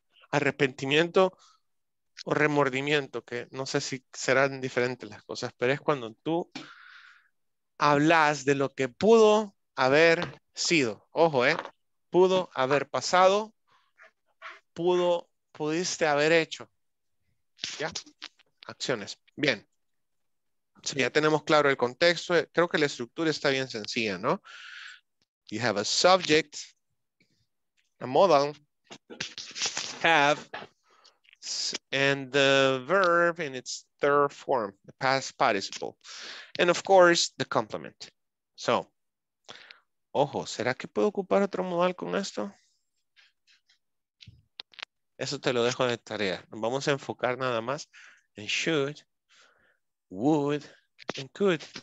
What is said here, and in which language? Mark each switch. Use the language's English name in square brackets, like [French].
[Spanish] Arrepentimiento o remordimiento, que no sé si serán diferentes las cosas, pero es cuando tú hablas de lo que pudo haber sido. Ojo, ¿eh? pudo haber pasado, pudo, pudiste haber hecho. ¿Ya? Acciones. Bien. So ya tenemos claro el contexto. Creo que la estructura está bien sencilla, ¿no? [English] You have a subject, a modal, have, and the verb in its third form, the past participle. And of course, the complement. [Spanish] So, ojo, ¿será que puedo ocupar otro modal con esto? Eso te lo dejo de tarea. Vamos a enfocar nada más en should, would, and could.